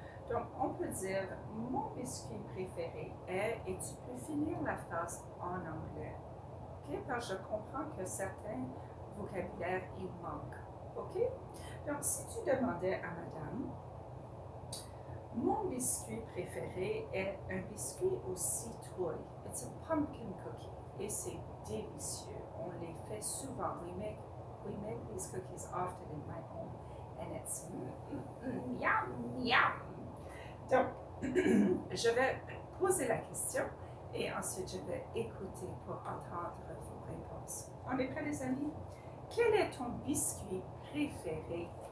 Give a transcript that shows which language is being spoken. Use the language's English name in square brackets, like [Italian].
[French] Donc, on peut dire « mon biscuit préféré est » et tu peux finir la phrase en anglais. OK? Parce que je comprends que certains vocabulaires y manquent. OK? Donc, si tu demandais à madame « mon biscuit préféré est un biscuit aux citrouilles. [English] It's a pumpkin cookie. » [French] Et c'est délicieux. On les fait souvent. [English] We make these cookies often in my home. And it's yum, yum. [French] Donc, je vais poser la question et ensuite je vais écouter pour entendre vos réponses. On est prêts, les amis? Quel est ton biscuit préféré?